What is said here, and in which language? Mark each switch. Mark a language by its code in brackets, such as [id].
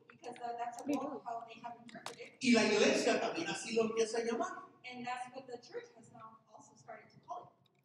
[en] Because that's a model of how they have interpreted. [es] Y la iglesia también así lo empieza a llamar. [en] And that's what the church has now also started to call it.